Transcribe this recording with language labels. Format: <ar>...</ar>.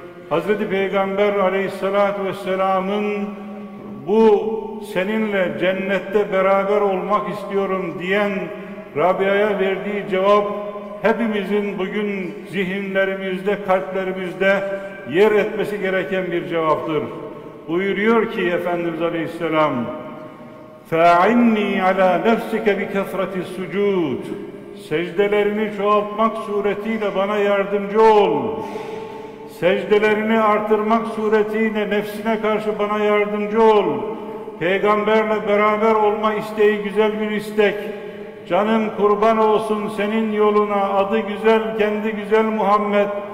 <tr>Hazreti Peygamber Aleyhisselatü Vesselam'ın bu seninle cennette beraber olmak istiyorum diyen Rabia'ya verdiği cevap hepimizin bugün zihinlerimizde, kalplerimizde yer etmesi gereken bir cevaptır. Buyuruyor ki Efendimiz Aleyhisselam,</tr> <ar>فَاَعِنِّي عَلَى نَفْسِكَ بِكَثْرَةِ السُّجُودِ.</ar> <tr>Secdelerini çoğaltmak suretiyle bana yardımcı ol. Secdelerini artırmak suretiyle nefsine karşı bana yardımcı ol. Peygamberle beraber olma isteği güzel bir istek. Canım kurban olsun senin yoluna, adı güzel, kendi güzel Muhammed.</tr>